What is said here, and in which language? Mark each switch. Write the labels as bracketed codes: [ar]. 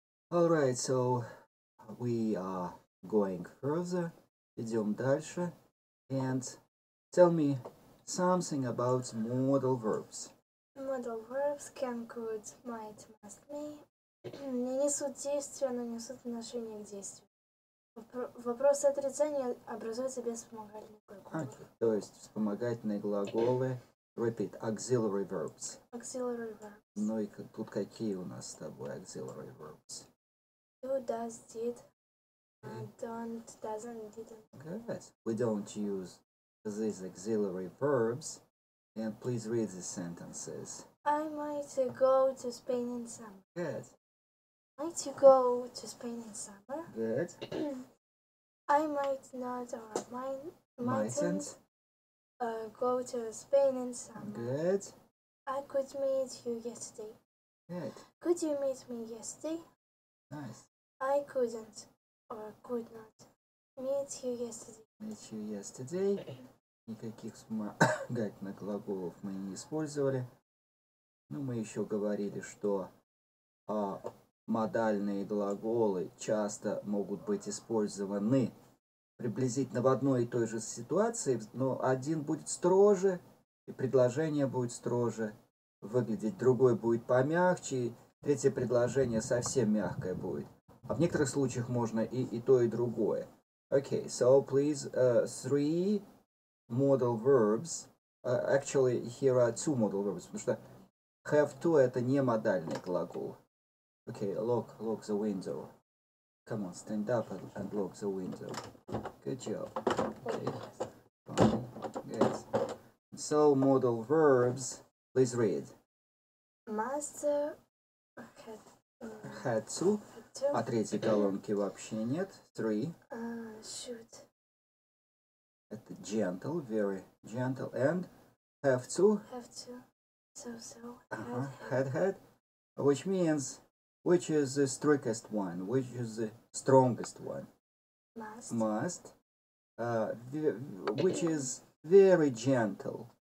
[en] All right, so we are going further. [ru] Идем дальше. [en] And tell me something about modal verbs. Modal verbs can could, might, must, may. [ru] Не несут действия, но несут отношение к действию. Вопросы отрицания образуются без вспомогательных [en] Okay. [ru] глаголов. То есть вспомогательные глаголы. [en] Repeat. Auxiliary verbs. Auxiliary verbs. [ru] Ну и как, тут какие у нас с тобой [en] auxiliary verbs? Do, does, did, Okay. don't, doesn't, didn't. Good. We don't use these auxiliary verbs. And please read the sentences. I might go to Spain in summer. Good. Might you go to Spain in summer? Good. I might not or mightn't Mightn't. go to Spain in summer. Good. I could meet you yesterday. Good. Could you meet me yesterday? Nice. I couldn't or could not meet you yesterday. Meet you yesterday. [ru] Никаких вспомогательных глаголов мы не использовали. Но мы еще говорили, что модальные глаголы часто могут быть использованы приблизительно в одной и той же ситуации, но один будет строже, и предложение будет строже выглядеть, другой будет помягче, и третье предложение совсем мягкое будет. А в некоторых случаях можно и то, и другое. [en] Okay, so please, three modal verbs. Actually, here are two modal verbs, [ru] потому что [en] have to – [ru] это не модальный глагол. [en] Okay, lock the window. Come on, stand up and lock the window. Good job. Okay. So, modal verbs, please read. Master Had to. [ru] А третьей колонки вообще нет. [en] Three. Shoot. [ru] Это [en] gentle, very gentle. And have to. Have to. So. Had. Which means, which is the strictest one? Which is the strongest one? Must. Must. Which is very gentle.